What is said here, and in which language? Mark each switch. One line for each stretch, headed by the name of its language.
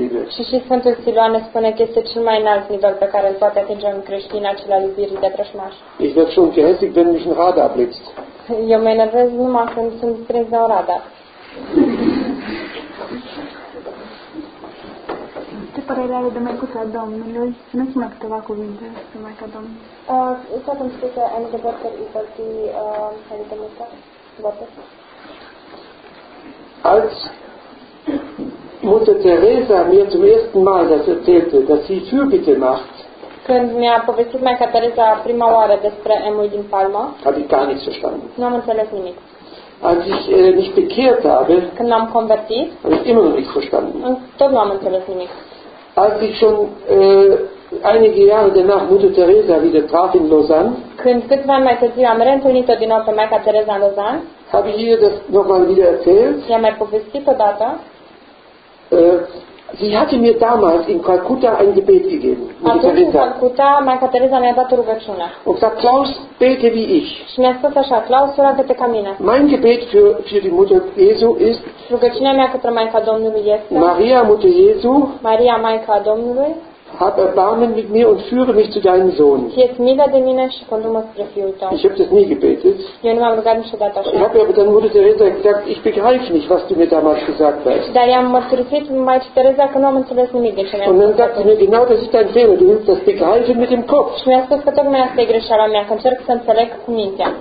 Romanian: și și Sfântul Siloan ne spune că este cel mai înalt nivel pe care îl poate atinge un creștin, acela iubirii de vrăjmaș.
German: Ich werde schon gehässig, wenn mich ein Radar blitzt.
Romanian: Eu mă enervez numai când sunt prins de un radar. Ce părere are de Maicuța Domnului? Nu spune câteva cuvinte de Maica Domnului. Să vă spun că am de vorbă cu părții care de Maica Domnului.
German: Als Mutter Teresa mir zum ersten Mal das erzählte, dass sie Fürbitte macht,
Romanian: când mi-a povestit Maica Teresa prima oară despre Emul din Palma,
German: habe ich gar nichts verstanden.
Romanian: Nu am înțeles nimic.
German: Als ich mich bekehrt habe,
Romanian: când am convertit,
German: habe ich immer noch nichts verstanden.
Romanian: Tot nu am înțeles nimic.
German: Als ich schon einige Jahre danach Mutter Teresa wieder traf in Lausanne,
Romanian: când câteva mai târziu am reîntâlnit-o din nou pe Maica Teresa în Lausanne,
German: habe ich ihr das nochmal wieder erzählt.
Romanian: I-am mai povestit odată.
German: Sie hatte mir damals in Kalkutta ein Gebet gegeben.
Romanian: Kalkutta, Maica Teresa mi-a dat o rugăciune.
German: Und sagt, Klaus, bete wie ich.
Romanian: Și mi-a spus așa, Klaus, roagă-te ca mine.
German: Mein Gebet für die Mutter Jesu ist,
Romanian: rugăciunea mea către Maica Domnului este,
German: Maria Mutter Jesu,
Romanian: Maria Maica Domnului,
German: hab Erbarmen mit mir und führe mich zu deinem Sohn.
Romanian: Fie-ți milă de mine și condu-mă spre fiul tău.
German: Ich habe das nie gebetet.
Romanian: Eu nu m-am rugat niciodată așa.
German: Hab aber dann Mutter Teresa gesagt, ich begreife nicht, was du mir damals gesagt hast.
Romanian: Dar i-am mărturisit Maica Teresa că nu am înțeles nimic de ce mi-a spus.
German: Und dann sagt sie mir, genau das ist dein Fehler, du willst das begreifen mit dem Kopf.
Romanian: Și mi-a spus că tocmai asta e greșeala mea, că încerc să înțeleg cu mintea.